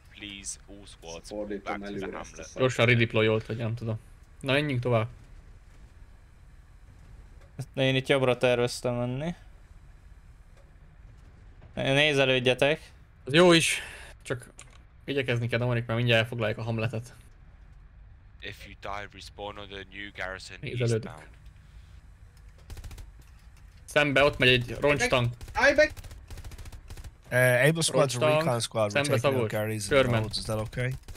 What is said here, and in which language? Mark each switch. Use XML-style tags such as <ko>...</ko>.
<en>Please, all squads, back to the Hamlet.</en> <hu>Gyorsan redeployolt, hogy nem tudom. Na, menjünk tovább. Én itt jobbra terveztem menni. Nézelődjetek. Jó is. Csak igyekezni kell, Domarik, mert mindjárt elfoglaljuk a Hamletet.</hu> <en>If you die, respawn on the new garrison.</en> <hu>Nézelődök. Szembe, ott megy egy roncstank.</hu> <en>Able squads, recon squad, we're taking out carries and roads, is that okay?</en>